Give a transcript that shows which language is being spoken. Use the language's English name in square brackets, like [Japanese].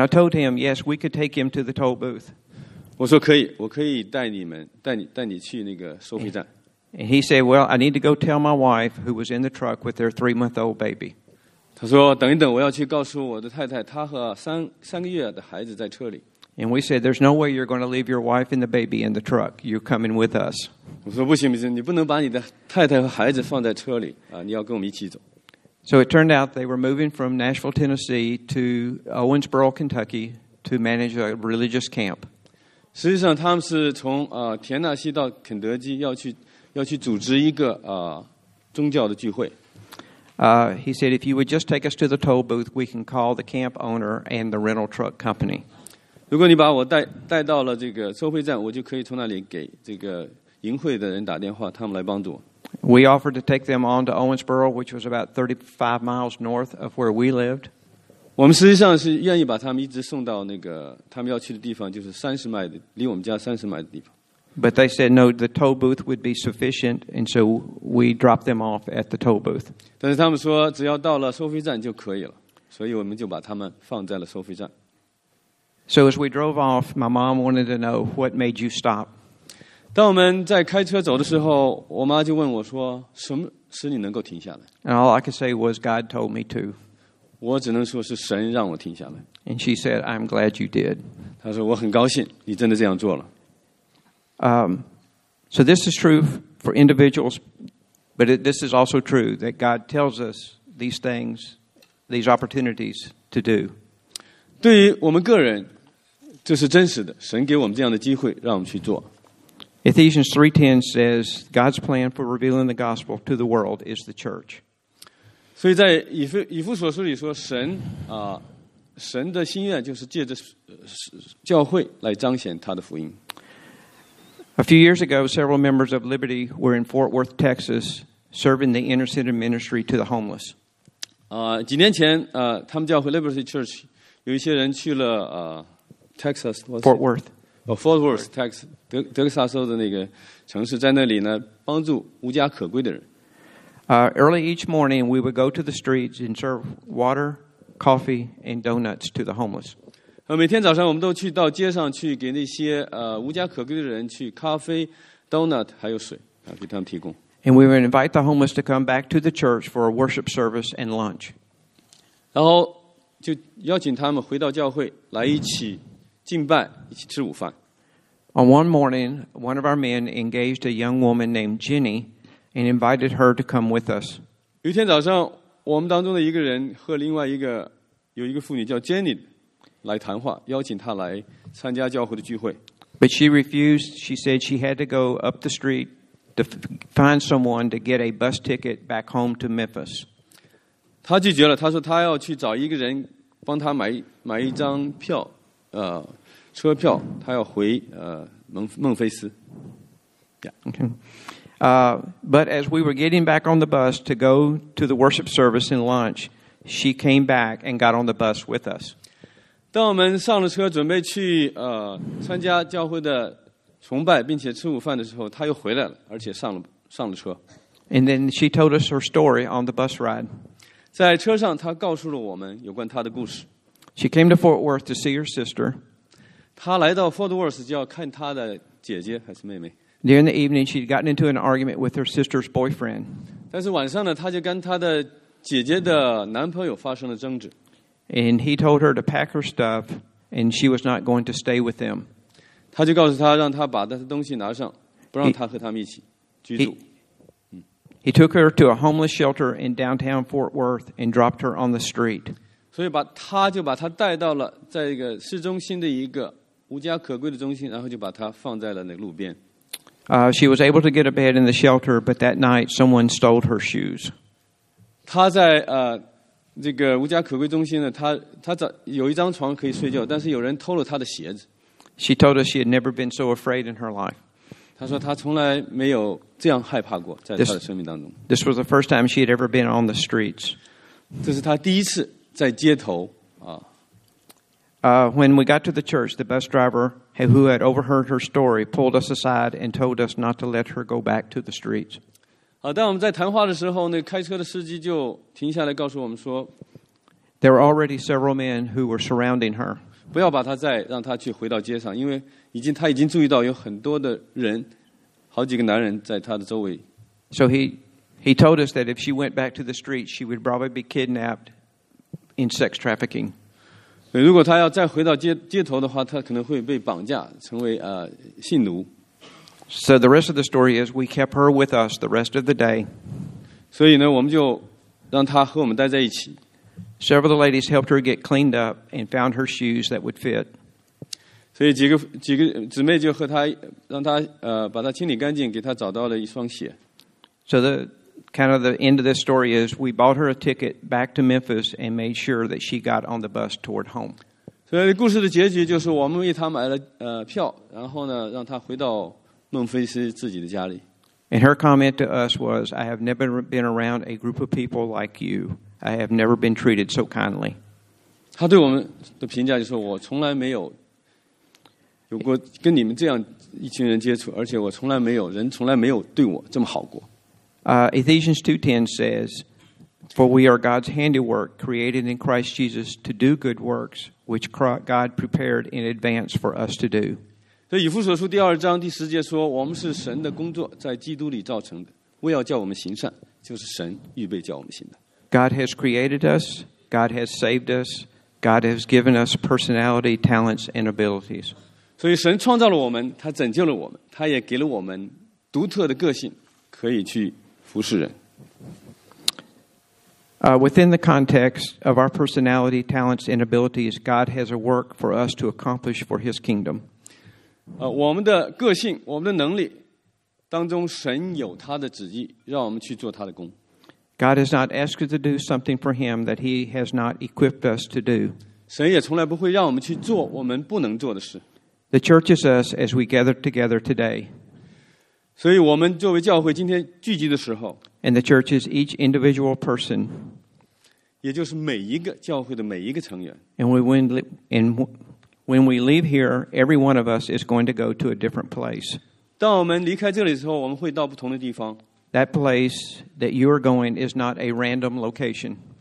[English] I told him, "Yes, we could take him to the toll booth." [Chinese] 我说可以，我可以带你们带你去那个收费站。 [English] And he said, "Well, I need to go tell my wife who was in the truck with their 3-month-old baby." [Chinese] 他说，等一等，我要去告诉我的太太，她和三个月的孩子在车里。 [English] And we said, "There's no way you're going to leave your wife and the baby in the truck. You're coming with us." [Chinese] 我说不行，你不能把你的太太和孩子放在车里啊！你要跟我们一起走。 [English] So it turned out they were moving from Nashville, Tennessee to Owensboro, Kentucky to manage a religious camp. [Chinese] 实际上他们是从田纳西到肯德基要去组织一个宗教的聚会。 [English] He said, "If you would just take us to the toll booth, we can call the camp owner and the rental truck company." [Chinese] 如果你把我带到了这个收费站，我就可以从那里给这个营会的人打电话，他们来帮助我。 [English] We offered to take them on to Owensboro, which was about 35 miles north of where we lived. [Chinese] 我们实际上是愿意把他们一直送到那个他们要去的地方，就是三十迈的，离我们家三十迈的地方。 [English] But they said no, the toll booth would be sufficient, and so we dropped them off at the toll booth. [Chinese] 但是他们说只要到了收费站就可以了，所以我们就把他们放在了收费站。 [English] So as we drove off, my mom wanted to know what made you stop. [Chinese] 当我们在开车走的时候，我妈就问我说，什么使你能够停下来？ [English] And all I could say was God told me to. [Chinese] 我只能说是神让我停下来。 [English] And she said, I'm glad you did. [Chinese] 她说我很高兴你真的这样做了。 [English] So this is true for individuals, but this is also true that God tells us these things, these opportunities to do. [Chinese] 对于我们个人，这是真实的，神给我们这样的机会让我们去做。 [English] Ephesians 3:10 says, God's plan for revealing the gospel to the world is the church. [Chinese] 所以在以弗所书里说，神啊，神的心愿就是借着教会来彰显他的福音。 [English] A few years ago, several members of Liberty were in Fort Worth, Texas, serving the inner city ministry to the homeless. [Chinese] 几年前，他们教会 Liberty Church 有一些人去了Texas, [English] Fort Worth. [Chinese] Fort Worth, Texas, 德克萨斯州的那个城市，在那里呢，帮助无家可归的人。 [English] Early each morning, we would go to the streets and serve water, coffee, and donuts to the homeless. [Chinese] 每天早上我们都去到街上去给那些无家可归的人去咖啡 donut 还有水给他们提供。 [English] And we would invite the homeless to come back to the church for a worship service and lunch. [Chinese] 然后就邀请他们回到教会来一起敬拜一起吃午饭。 [English] On one morning, one of our men engaged a young woman named Jenny and invited her to come with us. [Chinese] 有一天早上我们当中的一个人和另外一个有一个妇女叫 Jenny来谈话，邀请他来参加教会的聚会。 [English] But she refused. She said she had to go up the street to find someone to get a bus ticket back home to Memphis. [Chinese] 她拒绝了。她说她要去找一个人帮她买一张票，车票。她要回孟菲斯。 [English] Yeah. But as we were getting back on the bus to go to the worship service and lunch, she came back and got on the bus with us. [Chinese] 当我们上了车准备去参加教会的崇拜并且吃午饭的时候，他又回来了，而且上了车。 [English] And then she told us her story on the bus ride. [Chinese] 在车上他告诉了我们有关他的故事。 [English] She came to Fort Worth to see her sister. [Chinese] 他来到 Fort Worth 就要看他的姐姐还是妹妹。 [English] During the evening, she'd gotten into an argument with her sister's boyfriend. [Chinese] 但是晚上呢，他就跟他的姐姐的男朋友发生了争执。 [English] And he told her to pack her stuff, and she was not going to stay with them. [Chinese] 他就告诉他，让他把他的东西拿上，不让他和他们一起居住。 [English] He took her to a homeless shelter in downtown Fort Worth and dropped her on the street. [Chinese] 所以他就把他带到了在一个市中心的一个无家可归的中心，然后就把他放在了那路边。 [English] She was able to get a bed in the shelter, but that night someone stole her shoes. [Chinese] 他在这个无家可归中心呢，他有一张床可以睡觉，但是有人偷了他的鞋子。 [English] She told us she had never been so afraid in her life. [Chinese] 她说她从来没有这样害怕过，在她的生命当中。 [English] This was the first time she had ever been on the streets. [Chinese] 这是她第一次在街头啊。 [English] When we got to the church, the bus driver who had overheard her story pulled us aside and told us not to let her go back to the streets. [Chinese] 当我们在谈话的时候，那开车的司机就停下来告诉我们说 [English] ，There were already several men who were surrounding her. [Chinese] 不要把他再让他去回到街上，因为他已经注意到有很多的人，好几个男人在他的周围。 [English] So he told us that if she went back to the street, she would probably be kidnapped in sex trafficking. [Chinese] 如果他要再回到街头的话，他可能会被绑架，成为性奴。 [English] So the rest of the story is we kept her with us the rest of the day. [Chinese] 所以呢，我们就让她和我们待在一起。 [English] Several of the ladies helped her get cleaned up and found her shoes that would fit. [Chinese] 所以几个姊妹就和她让她把她清理干净，给她找到了一双鞋。 [English] So the kind of the end of this story is we bought her a ticket back to Memphis and made sure that she got on the bus toward home. [Chinese] 所以故事的结局就是我们为她买了票，然后呢让她回到。 [English] And her comment to us was, I have never been around a group of people like you. I have never been treated so kindly. [Chinese] 他对我们的评价就是我从来没有有过跟你们这样一群人接触，而且我从来没有人从来没有对我这么好过。 [English] Ephesians 2:10 says, "For we are God's handiwork, created in Christ Jesus to do good works, which God prepared in advance for us to do." [Chinese] 所以以弗所书第二章第十节说，我们是神的工作，在基督里造成的，为要叫我们行善，就是神预备叫我们行的。 [English] God has created us. God has saved us. God has given us personality, talents, and abilities. [Chinese] 所以神创造了我们，他拯救了我们，他也给了我们独特的个性，可以去服侍人。 [English] Within the context of our personality, talents, and abilities, God has a work for us to accomplish for His kingdom. [Chinese] 我们的个性，我们的能力当中，神有他的旨意，让我们去做他的工。 [English] God has not asked us to do something for Him that He has not equipped us to do. [Chinese] 神也从来不会让我们去做我们不能做的事。 [English] The church is us as we gather together today. [Chinese] 所以我们作为教会今天聚集的时候。 [English] And the church is each individual person. [Chinese] 也就是每一个教会的每一个成员。 [English] And when we leave here, every one of us is going to go to a different place. [Chinese] 当我们离开这里的时候，我们会到不同的地方。 [English] That place that you are going is not a random location.